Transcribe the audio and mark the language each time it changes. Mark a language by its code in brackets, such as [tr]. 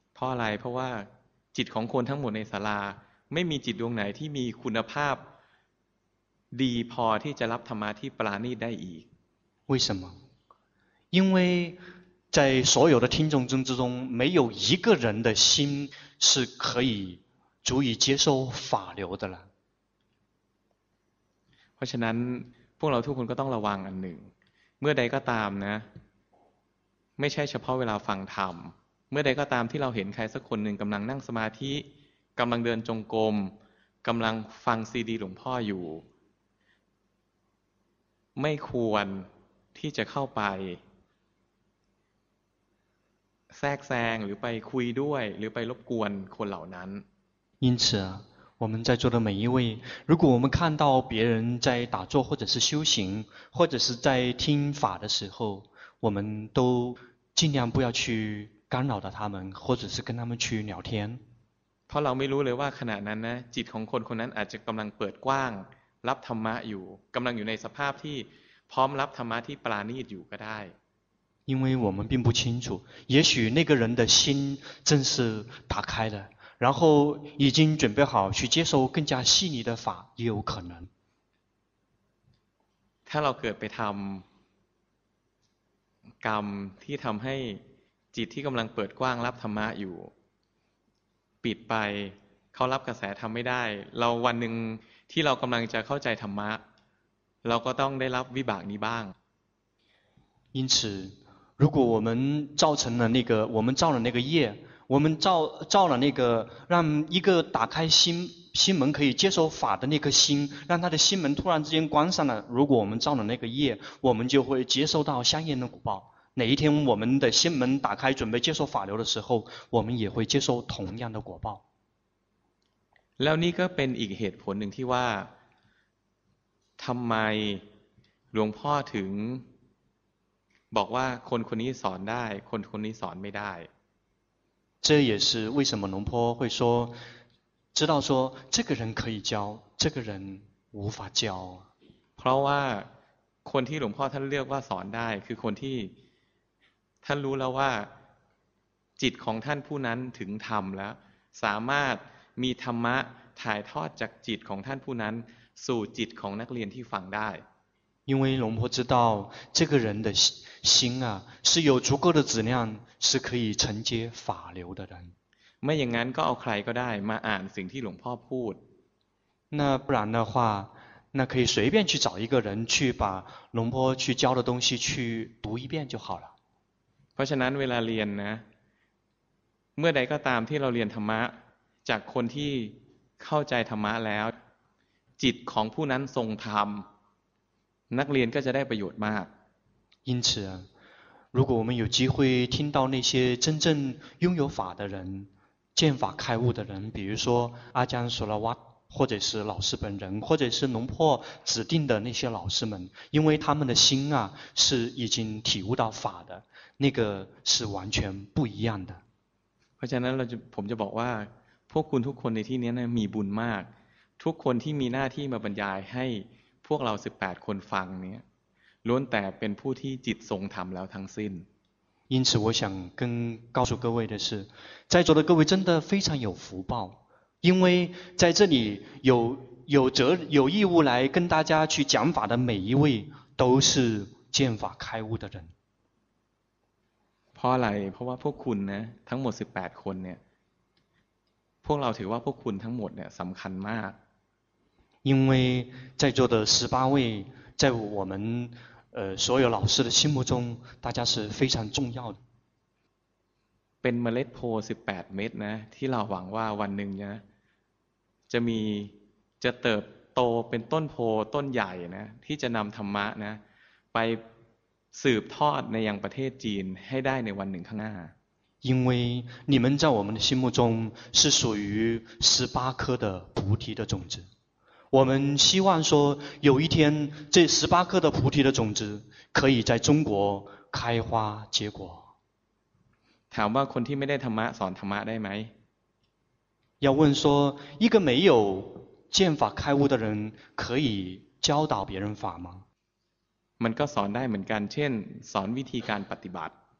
[th] เพราะอะไรเพราะว่าจิตของคนทั้งหมดในศาลาไม่มีจิตดวงไหนที่มีคุณภาพดีพอที่จะรับธรรมะที่ปราณีตได้อีก [zh] 为什么因为在所有的听众之中没有一个人的心是可以足以接受法流的了 [th] เพราะฉะนั้นพวกเราทุกคนก็ต้องระวังอันหนึ่งเมื่อใดก็ตามนะไม่ใช่เฉพาะเวลาฟังธรรมเมื่อใดก็ตามที่เราเห็นใครสักคนหนึ่งกำลังนั่งสมาธิกำลังเดินจงกรมกำลังฟังซีดีหลวงพ่ออยู่ไม่ควรที่จะเข้าไปแทรกแซงหรือไปคุยด้วยหรือไปรบกวนคนเหล่านั้น [zh] 因此我们在座的每一位，如果我们看到别人在打坐或者是修行，或者是在听法的时候，我们都尽量不要去干扰到他们，或者是跟他们去聊天。 [th] เพราะเราไม่รู้เลยว่าขณะนั้นนะจิตของคนคนนั้นอาจจะกำลังเปิดกว้างรับธรรมะอยู่กำลังอยู่ในสภาพที่พร้อมรับธรรมะที่ปราณีตอยู่ก็ได้ [zh] 因为我们并不清楚，也许那个人的心正是打开的。然后已经准备好去接受更加细腻的法也有可能 [th] ถ้าเราเกิดไปทำกรรมที่ทำให้จิตที่กำลังเปิดกว้างรับธรรมะอยู่ปิดไปเขารับกระแสธรรมไม่ได้เราวันหนึ่งที่เรากำลังจะเข้าใจธรรมะเราก็ต้องได้รับวิบากนี้บ้าง [zh] 因此如果我们造成了那个我们造了那个业我们造了那个让一个打开心门可以接受法的那颗心让他的心门突然之间关上了如果我们造了那个业我们就会接受到相应的果报哪一天我们的心门打开准备接受法流的时候我们也会接受同样的果报 [th] แล้วนี่ก็เป็นอีกเหตุผลหนึ่งที่ว่าทำไมหลวงพ่อถึงบอกว่าคนคนนี้สอนได้คนคนนี้สอนไม่ได้ [zh] 这也是为什么龙坡会说知道说这个人可以教这个人无法教 [th] เพราะว่าคนที่หลวงพ่อท่านเรียกว่าสอนได้คือคนที่ท่านรู้แล้วว่าจิตของท่านผู้นั้นถึงธรรมแล้วสามารถมีธรรมะถ่ายทอดจากจิตของท่านผู้นั้นสู่จิตของนักเรียนที่ฟังได้ [zh] 因为龙婆知道这个人的心啊是有足够的质量是可以承接法流的人。 [th] ไม่อย่างนั้นก็เอาใครก็ได้มาอ่านสิ่งที่หลวงพ่อพูด [zh] 那不然的话那可以随便去找一个人去把龙婆去教的东西去读一遍就好了。 [th] เพราะฉะนั้นเวลาเรียนนะเมื่อใดก็ตามที่เราเรียนธรรมะจากคนที่เข้าใจธรรมะแล้วจิตของผู้นั้นทรงธรรมนักเรียนก็จะได้ประโยชน์มาก [zh] 因此如果我们有机会听到那些真正拥有法的人见法开悟的人比如说阿姜索拉瓦或者是老师本人或者是龙婆指定的那些老师们因为他们的心啊是已经体悟到法的那个是完全不一样的 [th] เพราะฉะนั้นผมจะบอกว่าพวกคุณทุกคนในที่นี้นะมีบุญมากทุกคนที่มีหน้าที่มาบรรยายให้พวกเรา18คนฟังเนี่ยล้วนแต่เป็นผู้ที่จิตทรงธรรมแล้วทั้งสิ้น [zh] 因此我想跟告诉各位的是在座的各位真的非常有福报因为在这里有义务来跟大家去讲法的每一位都是见法开悟的人 [th] เพราะอะไรเพราะว่าพวกคุณนะทั้งหมด18คนเนี่ยพวกเราถือว่าพวกคุณทั้งหมดเนี่ยสำคัญมาก [zh] 因为在座的18位在我们所有老师的心目中大家是非常重要的 [th] เป็นเมล็ดโพ18เม็ดนะที่เราหวังว่าวันหนึ่งนะจะมีจะเติบโตเป็นต้นโพต้นใหญ่นะที่จะนำธรรมะนะไปสืบทอดในยังประเทศจีนให้ได้ในวันหนึ่งข้างหน้า [zh] 因为你们在我们的心目中是属于18颗的菩提的种子我们希望说有一天这18颗的菩提的种子可以在中国开花结果 [th] ถามว่าคนที่ไม่ได้ธรรมะสอนธรรมะได้ไหม [zh] 要问说一个没有见法开悟的人可以教导别人法吗 [th] มันก็สอนได้เหมือนกันเช่นสอนวิธีการปฏิบัติ